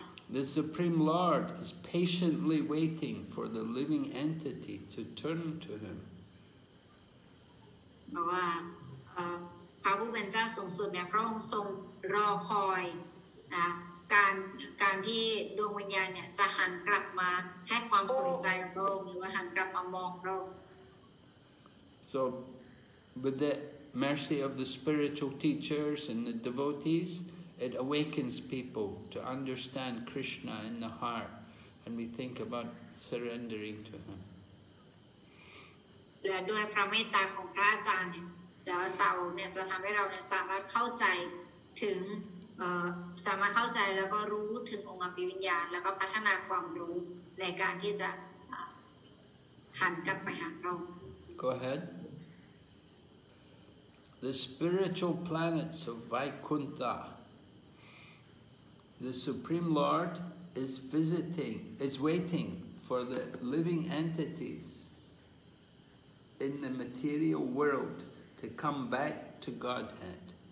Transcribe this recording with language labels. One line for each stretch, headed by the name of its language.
English: The Supreme Lord is patiently waiting for the living entity to turn to him.
Thai: เพราะว่าพระผู้เป็นเจ้าสูงสุดเนี่ยพระองค์ทรงรอคอยนะการที่ดวงวิญญาณเนี่ยจะหันกลับมาให้ความสนใจพระองค์หรือว่าหันกลับมามองพระองค์
English: So with the mercy of the spiritual teachers and the devotees it awakens people to understand Krishna in the heart and we think about surrendering to him
Thai: และด้วยพระเมตตาของพระอาจารย์เนี่ยแล้วเสาเนี่ยจะทำให้เราเนี่ยสามารถเข้าใจถึงสามารถเข้าใจแล้วก็รู้ถึงองค์อภิวิญญาณแล้วก็พัฒนาความรู้ในการที่จะหันกลับไปหาพระองค์
English: Go ahead The spiritual planets of Vaikuntha The Supreme Lord is waiting for the living entitiesin the material world to come back to Godhead.